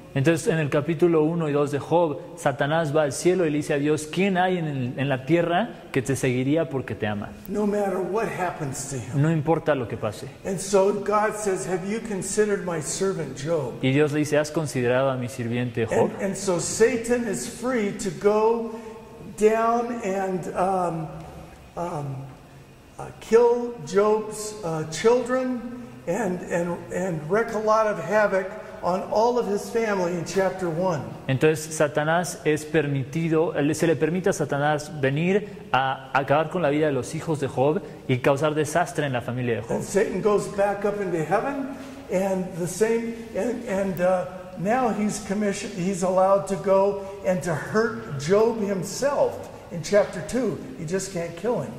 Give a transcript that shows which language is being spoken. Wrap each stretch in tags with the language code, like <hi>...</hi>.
<es>Entonces, en el capítulo 1 y 2 de Job, Satanás va al cielo y le dice a Dios, ¿quién hay en la tierra que te seguiría porque te ama?</es> <en>No matter what happens to him.</en> <es>No importa lo que pase.</es> <en>And so God says, have you considered my servant Job?</en> <es>Y Dios le dice, ¿has considerado a mi sirviente Job?</es> <en>And so Satan is free to go down and kill Job's children and wreak a lot of havoc on all of his family in chapter 1.</en> <es>Entonces Satanás es permitido, se le permite a Satanás venir a acabar con la vida de los hijos de Job y causar desastre en la familia de Job.</es> <en>And Satan goes back up into heaven and the same now he's allowed to go and to hurt Job himself. In chapter 2, he just can't kill him.</en>